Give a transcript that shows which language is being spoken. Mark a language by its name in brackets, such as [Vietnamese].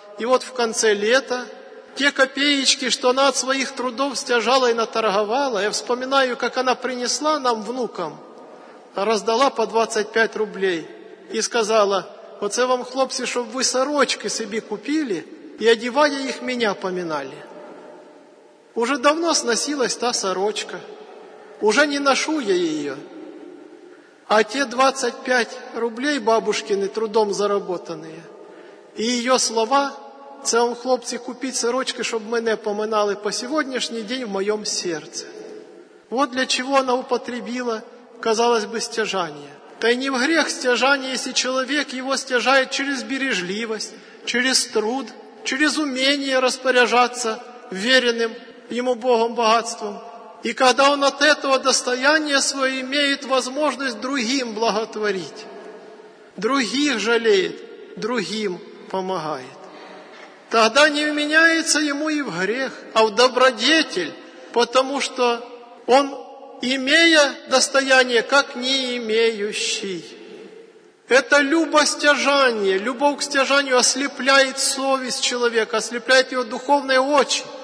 [Russian] И вот в конце лета те копеечки, что она от своих трудов стяжала и наторговала, я вспоминаю, как она принесла нам, внукам, раздала по 25 рублей и сказала: [Ukrainian] «Оце вам, [Russian] хлопцы, чтобы вы сорочки себе купили, и одевая их, меня поминали». Уже давно сносилась та сорочка. Уже не ношу я ее. А те 25 рублей бабушкины, трудом заработанные, и ее слова: [Ukrainian] «Це вам, хлопці, купіть сорочки, щоб мене поминали по сьогоднішній день в моєму серці». [Russian] Вот [Ukrainian] для чого вона употребила, [Russian] казалось би, [Ukrainian] стяжання. Та й не в грех стяжання, якщо чоловік його стяжає через бережливість, через труд, через уміння розпоряджатися вереним йому Богом багатством. І коли він от цього достояння своє має можливість другим благотворити, других жаліє, другим помагає. [Russian] Тогда не вменяется ему и в грех, а в добродетель, потому что он, имея достояние, как не имеющий. Это любостяжание, любовь к стяжанию ослепляет совесть человека, ослепляет его духовные очи.